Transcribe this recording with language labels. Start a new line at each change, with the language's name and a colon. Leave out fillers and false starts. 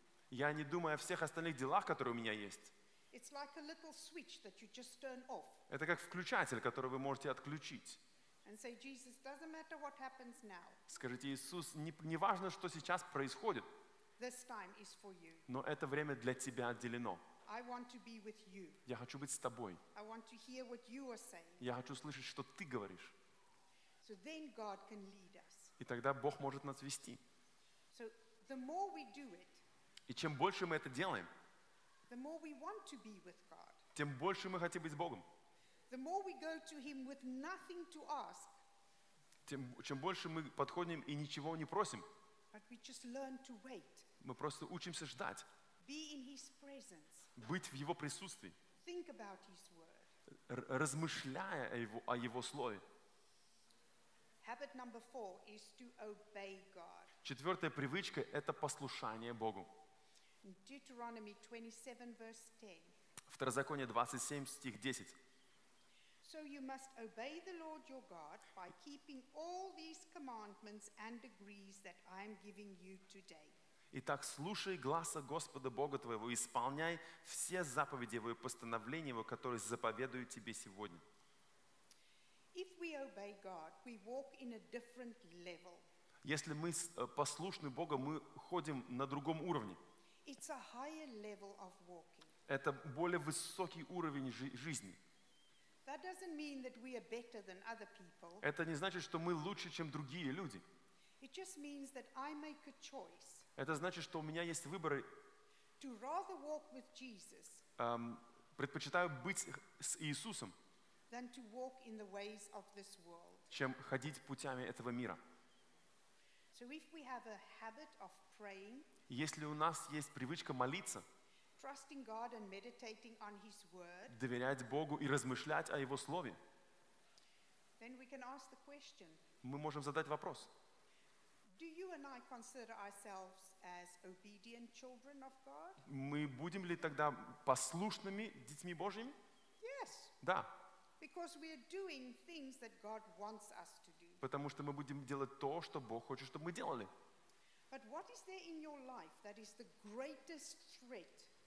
Russian: Я не думаю о всех остальных делах, которые у меня есть.
English: It's like a little switch that you just turn off.
Russian: Это как включатель, который вы можете отключить.
English: And say, Jesus, doesn't matter what happens now.
Russian: Скажите, Иисус, не важно, что сейчас происходит.
English: This time is for you.
Russian: Но это время для тебя отделено.
English: I want to be with you.
Russian: Я хочу быть с тобой.
English: I want to hear what you are saying.
Russian: Я хочу слышать, что ты говоришь.
English: So then God can lead us.
Russian: И тогда Бог может нас вести.
English: So the more we do it,
Russian: и чем больше мы это делаем,
English: the more we want to be with God.
Russian: Тем больше мы хотим быть с Богом.
English: The more we go to Him with nothing to ask.
Russian: Чем больше мы подходим и ничего не просим.
English: But we just learn to wait.
Russian: Мы просто учимся ждать.
English: Be in His presence.
Russian: Быть в Его присутствии.
English: Think about His word.
Russian: Размышляя о Его слове.
English: Habit number four is to obey God.
Russian: Четвертая привычка – это послушание Богу.
English: In Deuteronomy 27, verse 10.
Russian: Второзаконие 27, стих 10.
English: So you must obey the Lord your God by keeping all these commandments and decrees that I am giving you today.
Russian: Итак, слушай гласа Господа Бога твоего, исполняй все заповеди Его и постановления Его, которые заповедую тебе сегодня.
English: If we obey God, we walk in a different level.
Russian: Если мы послушны Богу, мы ходим на другом уровне.
English: It's a higher level of walking.
Russian: Это более высокий уровень жизни.
English: That doesn't mean that we are better than other people.
Russian: Это не значит, что мы лучше, чем другие люди.
English: It just means that I make a choice.
Russian: Это значит, что у меня есть выборы.
English: To rather walk with Jesus.
Russian: Предпочитаю быть с Иисусом.
English: Than to walk in the ways of this world.
Russian: Чем ходить путями этого мира.
English: So if we have a habit of praying.
Russian: Если у нас есть привычка молиться.
English: Trusting God and meditating on His word.
Russian: Доверять Богу и размышлять о Его слове.
English: Then we can ask the question.
Russian: Мы можем задать вопрос.
English: Do you and I consider ourselves as obedient children of God?
Russian: Мы будем ли тогда послушными детьми Божьими?
English: Yes.
Russian: Да.
English: Because we are doing things that God wants us to do.
Russian: Потому что мы будем делать то, что Бог хочет, чтобы мы делали.
English: But what is there in your life that is the greatest threat?